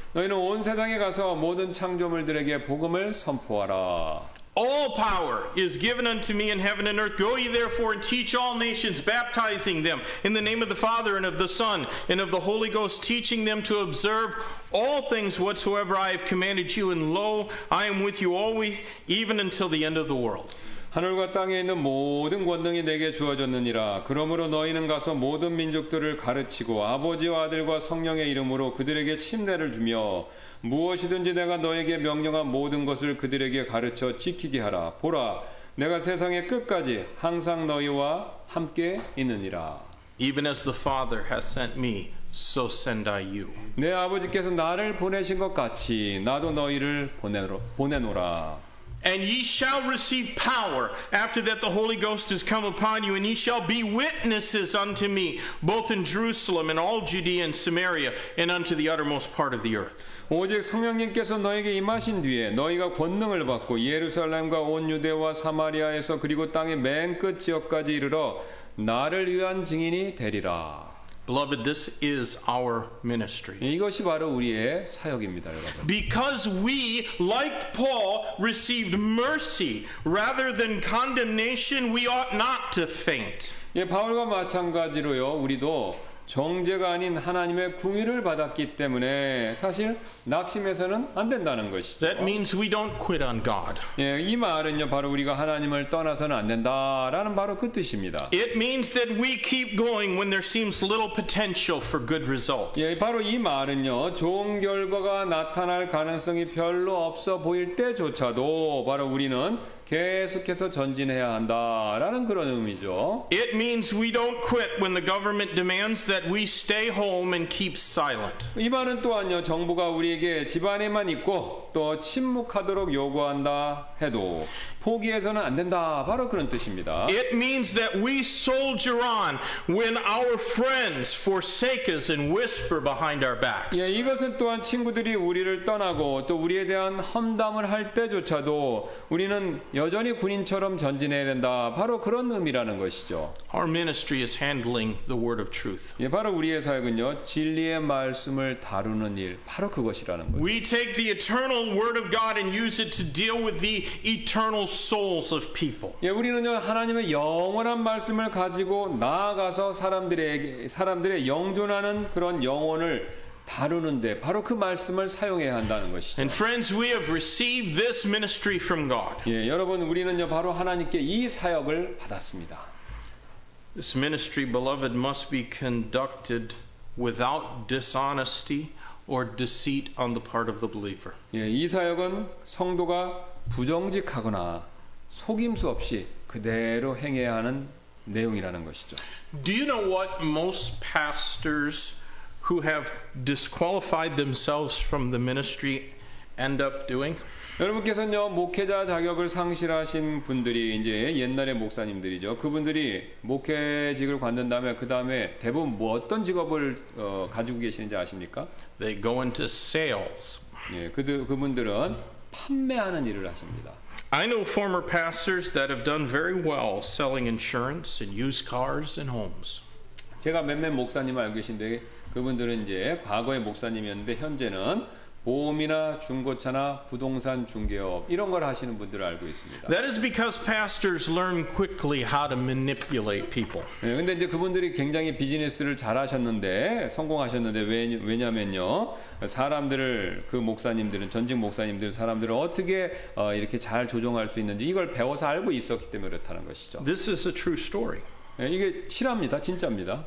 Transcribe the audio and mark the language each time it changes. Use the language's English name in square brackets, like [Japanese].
[Korean] 너희는 온 세상에 가서 모든 창조물들에게 복음을 선포하라. [English] All power is given unto me in heaven and earth. Go ye therefore and teach all nations, baptizing them in the name of the Father and of the Son and of the Holy Ghost, teaching them to observe all things whatsoever I have commanded you. And lo, I am with you always, even until the end of the world. [Korean] 하늘과 땅에 있는 모든 권능이 내게 주어졌느니라. 그러므로 너희는 가서 모든 민족들을 가르치고 아버지와 아들과 성령의 이름으로 그들에게 침례를 주며 무엇이든지 내가 너에게 명령한 모든 것을 그들에게 가르쳐 지키게 하라. 보라, 내가 세상의 끝까지 항상 너희와 함께 있느니라. [English] Even as the Father has sent me, so send I you. [Korean] 내 아버지께서 나를 보내신 것 같이 나도 너희를 보내노라. [English] And ye shall receive power after that the Holy Ghost has come upon you, and ye shall be witnesses unto me, both in Jerusalem and all Judea and Samaria, and unto the uttermost part of the earth. [Korean] 오직 성령님께서 너에게 임하신 뒤에 너희가 권능을 받고 예루살렘과 온 유대와 사마리아에서 그리고 땅의 맨 끝 지역까지 이르러 나를 위한 증인이 되리라. [English] Beloved, this is our ministry. [Korean] 이것이 바로 우리의 사역입니다, 여러분. [English] Because we, like Paul, received mercy rather than condemnation, we ought not to faint. [Korean] 예, 바울과 마찬가지로요, 우리도 정죄가 아닌 하나님의 궁휼을 받았기 때문에 사실 낙심해서는 안 된다는 것이죠. [English] That means we don't quit on God. [Korean] 예, 이 말은요 바로 우리가 하나님을 떠나서는 안 된다라는 바로 그 뜻입니다. [English] It means that we keep going when there seems little potential for good results. [Korean] 예, 바로 이 말은요 좋은 결과가 나타날 가능성이 별로 없어 보일 때조차도 바로 우리는 계속해서 전진해야 한다라는 그런 의미죠. [English] It means we don't quit when the government demands that we stay home and keep silent. [Korean] 이 말은 또한요, 정부가 우리에게 집안에만 있고 또 침묵하도록 요구한다 해도 포기해서는 안 된다. 바로 그런 뜻입니다. [English] It means that we soldier on when our friends forsake us and whisper behind our backs. [Korean] 예, 이것은 또한 친구들이 우리를 떠나고 또 우리에 대한 험담을 할 때조차도 우리는 여전히 군인처럼 전진해야 된다. 바로 그런 의미라는 것이죠. [English] Our ministry is handling the word of truth. [Korean] 예, 바로 우리의 사역은요, 진리의 말씀을 다루는 일, 바로 그것이라는 거죠. [English] We take the eternal word of God and use it to deal with the eternal souls of people. [Korean] 예, 우리는요, 하나님의 영원한 말씀을 가지고 나아가서 사람들의 영존하는 그런 영혼을 다루는데 바로 그 말씀을 사용해야 한다는 것이죠. [English] And friends, we have received this ministry from God. [Korean] 예, 여러분 우리는요 바로 하나님께 이 사역을 받았습니다. [English] This ministry, beloved, must be conducted without dishonesty or deceit on the part of the believer. [Korean] 예, 이 사역은 성도가 부정직하거나 속임수 없이 그대로 행해야 하는 내용이라는 것이죠. [English] Do you know what most pastors who have disqualified themselves from the ministry end up doing? [Korean] 여러분께서는요, 목회자 자격을 상실하신 분들이 이제 옛날의 목사님들이죠. 그분들이 목회직을 관둔 다음에 그다음에 대부분 뭐 어떤 직업을 가지고 계시는지 아십니까? [English] They go into sales. [Korean] 예, 그분들은 판매하는 일을 하십니다. [English] I know former pastors that have done very well selling insurance and used cars and homes. [Korean] 제가 몇몇 목사님 알고 계신데 그분들은 이제 과거의 목사님이었는데 현재는 보험이나 중고차나 부동산 중개업 이런 걸 하시는 분들을 알고 있습니다. [English] That is because pastors learn quickly how to manipulate people. [Korean] 네, 근데 이제 그분들이 굉장히 비즈니스를 잘하셨는데 성공하셨는데 왜냐면요 사람들을 그 목사님들은 전직 목사님들 사람들을 어떻게 이렇게 잘 조종할 수 있는지 이걸 배워서 알고 있었기 때문에 그렇다는 것이죠. [English] This is a true story. [Korean] 네, 이게 실화입니다, 진짜입니다.